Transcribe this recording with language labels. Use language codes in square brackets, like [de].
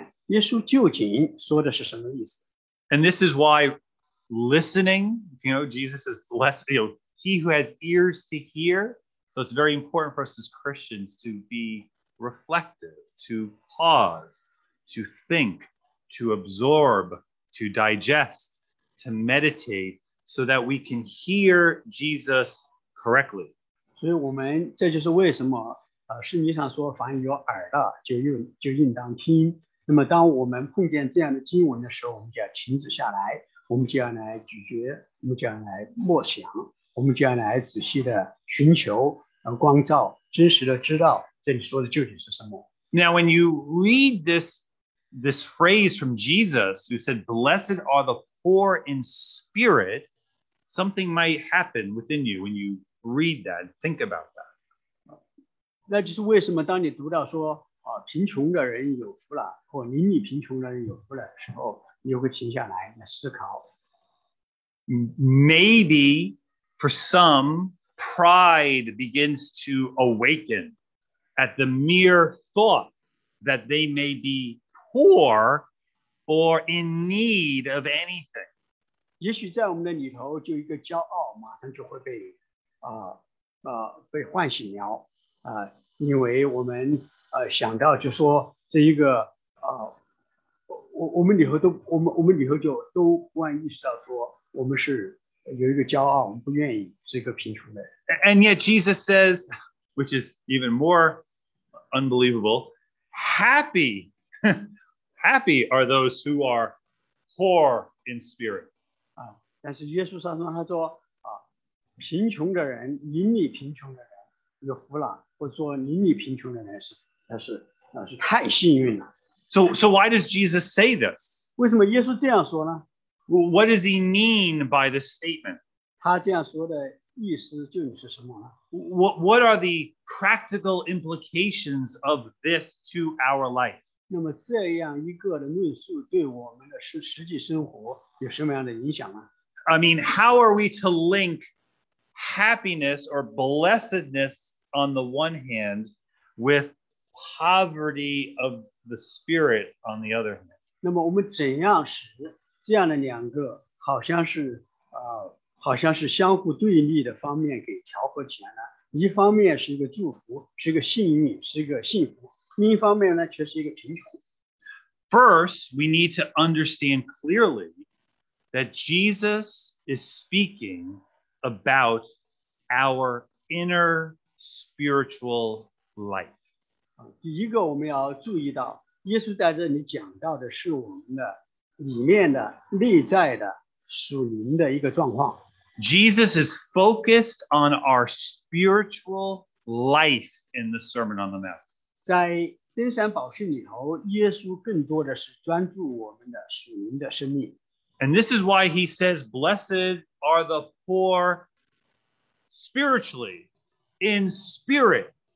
[zh] 我们也许第一个第一次听见这个教导的时候有个抵触在里面。那正因为此我们就要停下来仔细地看一看耶稣究竟说的是什么意思。 [en] And this is why listening, you know, Jesus is blessed, you know, he who has ears to hear. So it's very important for us as Christians to be reflective, to pause, to think, to absorb, to digest, to meditate, so that we can hear Jesus correctly. [zh] 所以我们这就是为什么圣经上说凡有耳的就应当听。那么当我们碰见这样的经文的时候，我们就要停止下来，我们就要来咀嚼，我们就要来默想。 [en] Now, when you read this phrase from Jesus, who said, blessed are the poor in spirit, something might happen within you when you read that, think about that. [zh] 那就是为什么当你读到说啊，贫穷的人有福了，或邻里贫穷的人有福了的时候，你会停下来来思考。 [en] Maybe for some, pride begins to awaken at the mere thought that they may be poor or in need of anything. [zh] 也许在我们的里头就一个骄傲马上就会被被唤醒了因为我们想到就说这一个我们里头就都忽然意识到说我们是有一个骄傲我们不愿意是一个贫穷的人。 [en] And yet Jesus says, which is even more unbelievable, happy are those who are poor in spirit. [zh] 但是耶稣上说他说贫穷的人邻里贫穷的人有福了或者说邻里贫穷的人是太幸运了。 [en] So why does Jesus say this? [zh] 为什么耶稣这样说呢? [en] What does he mean by this statement? [zh] 他这样说的意思就是什么呢? [en] What are the practical implications of this to our life? [zh] 那么这样一个的论述对我们的实际生活有什么样的影响呢? [en] I mean, how are we to link happiness or blessedness on the one hand with poverty of the spirit on the other hand. [zh] 那么我们怎样使这样的两个好像是相互对立的方面给调和起来呢？一方面是一个祝福，是一个幸运，是一个幸福；另一方面呢，却是一个贫穷。 [en] First, we need to understand clearly that Jesus is speaking about our inner spiritual life. [zh] 第一个我们要注意到耶稣在这里讲到的是我们的里面的内在的属灵的一个状况。 [en] Jesus is focused on our spiritual life in the Sermon on the Mount. [zh] 在登山宝训里头耶稣更多的是专注我们的属灵的生命。 [en] And this is why he says, blessed are the poor spiritually, in spirit.